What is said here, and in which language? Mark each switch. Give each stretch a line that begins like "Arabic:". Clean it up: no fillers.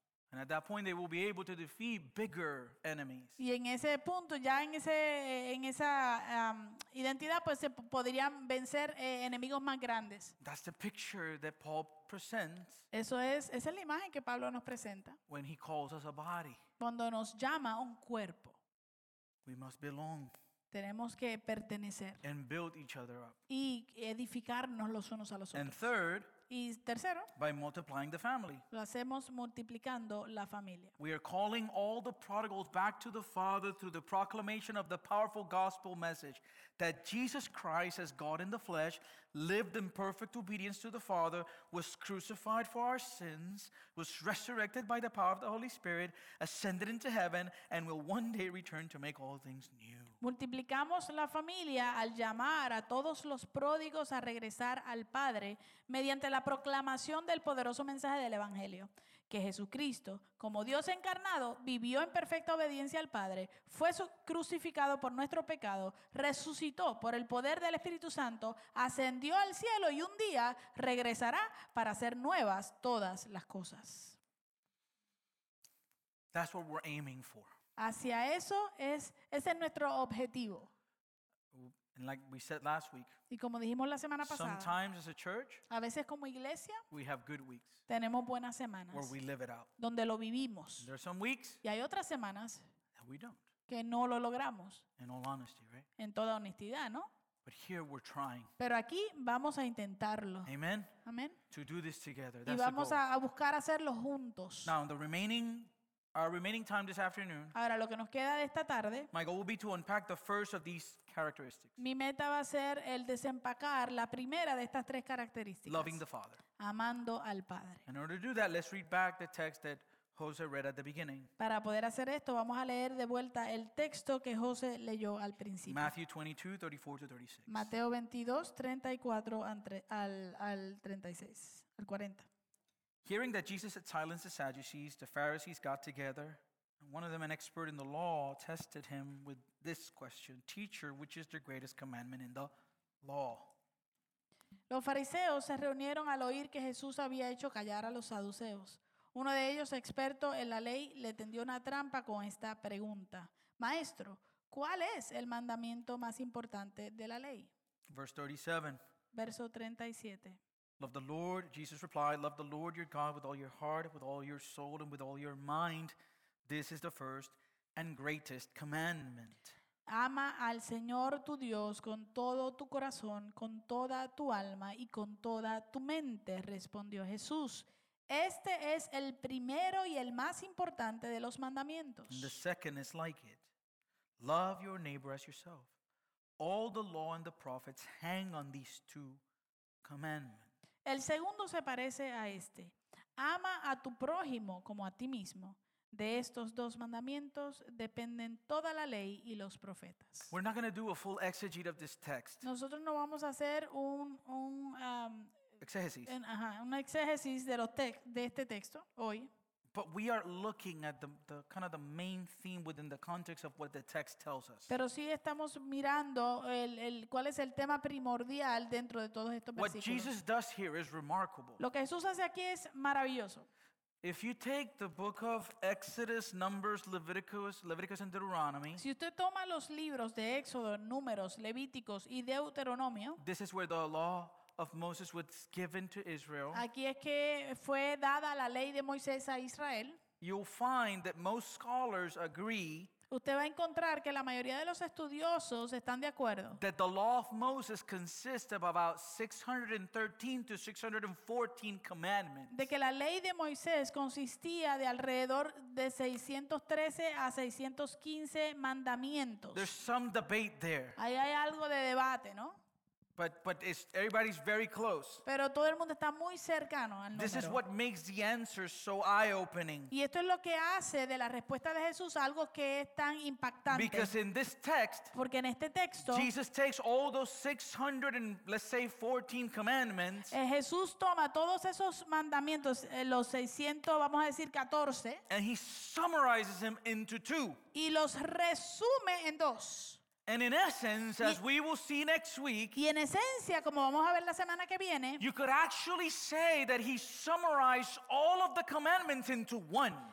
English: And at that point, they will be able to defeat bigger enemies.
Spanish: Y en ese punto, ya en esa identidad, pues se podrían vencer enemigos más grandes.
English: That's the picture that Paul presents.
Spanish: Esa es la imagen que Pablo nos presenta.
English: When he calls us a body.
Spanish: Cuando nos llama un cuerpo.
English: We must belong.
Spanish: Tenemos que pertenecer.
English: And build each other up.
Spanish: Y edificarnos los unos a los otros.
English: And third.
Spanish: Y tercero,
English: by multiplying the family.
Spanish: Lo hacemos multiplicando la familia.
English: We are calling all the prodigals back to the Father through the proclamation of the powerful gospel message that Jesus Christ, as God in the flesh, lived in perfect obedience to the Father, was crucified for our sins, was resurrected by the power of the Holy Spirit, ascended into heaven, and will one day return to make all things new.
Spanish: Multiplicamos la familia al llamar a todos los pródigos a regresar al Padre mediante la proclamación del poderoso mensaje del Evangelio, que Jesucristo, como Dios encarnado, vivió en perfecta obediencia al Padre, fue crucificado por nuestro pecado, resucitó por el poder del Espíritu Santo, ascendió al cielo y un día regresará para hacer nuevas todas las cosas.
English: That's what we're aiming for.
Spanish: Hacia eso ese es nuestro objetivo.
English: And like we said last week,
Spanish: y como dijimos la semana pasada,
English: sometimes as a church,
Spanish: a veces como iglesia,
English: we have good weeks,
Spanish: tenemos buenas semanas,
English: where we live it out,
Spanish: donde lo vivimos.
English: There are some weeks,
Spanish: y hay otras semanas,
English: that we don't,
Spanish: que no lo logramos.
English: In all honesty, right?
Spanish: En toda honestidad, ¿no?
English: But here we're trying.
Spanish: Pero aquí vamos a intentarlo.
English: Amen.
Spanish: Amen.
English: To do this together. That's
Spanish: y vamos
English: the goal.
Spanish: A buscar hacerlo juntos.
English: Now the remaining. Our remaining time this afternoon.
Spanish: Ahora, lo que nos queda de esta tarde,
English: my goal will be to unpack the first of these characteristics.
Spanish: Mi meta va a ser el desempacar la primera de estas tres características.
English: Loving the Father.
Spanish: Amando al Padre.
English: In order to do that, let's read back the text that Jose read at the beginning.
Spanish: Para poder hacer esto, vamos a leer de vuelta el texto que Jose leyó al principio.
English: Matthew 22, 34 to 36.
Spanish: Mateo 22, 34 al 36, al 40.
English: Hearing that Jesus had silenced the Sadducees, the Pharisees got together. One of them, an expert in the law, tested him with this question: Teacher, which is the greatest commandment in the law?
Spanish: Los fariseos se reunieron al oír que Jesús había hecho callar a los saduceos. Uno de ellos, experto en la ley, le tendió una trampa con esta pregunta: Maestro, ¿cuál es el mandamiento más importante de la ley?
English: Verse 37.
Spanish: Verso 37.
English: Love the Lord, Jesus replied, love the Lord your God with all your heart, with all your soul, and with all your mind. This is the first and greatest commandment.
Spanish: Ama al Señor tu Dios con todo tu corazón, con toda tu alma y con toda tu mente, respondió Jesús. Este es el primero y el más importante de los mandamientos.
English: And the second is like it. Love your neighbor as yourself. All the law and the prophets hang on these two commandments.
Spanish: El segundo se parece a este. Ama a tu prójimo como a ti mismo. De estos dos mandamientos dependen toda la ley y los profetas.
English: We're not going to do a full exegete of this text.
Spanish: Nosotros no vamos a hacer una exégesis de este texto hoy.
English: But we are looking at the kind of the main theme within the context of what the text tells us.
Spanish: Pero sí estamos mirando el cuál es el tema primordial dentro de todos estos versículos.
English: What Jesus does here is remarkable.
Spanish: Lo que Jesús hace aquí es maravilloso.
English: If you take the book of Exodus, Numbers, Leviticus and Deuteronomy.
Spanish: Si usted toma los libros de Éxodo, Números, Levíticos y Deuteronomio.
English: This is where the law of Moses was given to Israel.
Spanish: Aquí es que fue dada la ley de Moisés a Israel.
English: You'll find that most scholars agree.
Spanish: Usted va a encontrar que la mayoría de los estudiosos están de acuerdo.
English: That the law of Moses consists of about 613 to 614 commandments.
Spanish: De que la ley de Moisés consistía de alrededor de 613 a 615 mandamientos.
English: There's some debate there.
Spanish: Ahí hay algo de debate, ¿no?
English: But it's, everybody's very close.
Spanish: Pero todo el mundo está muy cercano al número.
English: This is what makes the answer so eye-opening.
Spanish: Y esto es lo que hace de la respuesta de Jesús algo que es tan impactante.
English: Because in this text,
Spanish: porque en este texto,
English: Jesus takes all those 600 and let's say 14 commandments.
Spanish: Jesús toma todos esos mandamientos, los 600, vamos a decir 14,
English: and he summarizes them into two.
Spanish: Y los resume en dos.
English: And in essence, as we will see next week,
Spanish: y en esencia, como vamos a ver la semana que viene,
English: you could actually say that he summarized all of the commandments into one.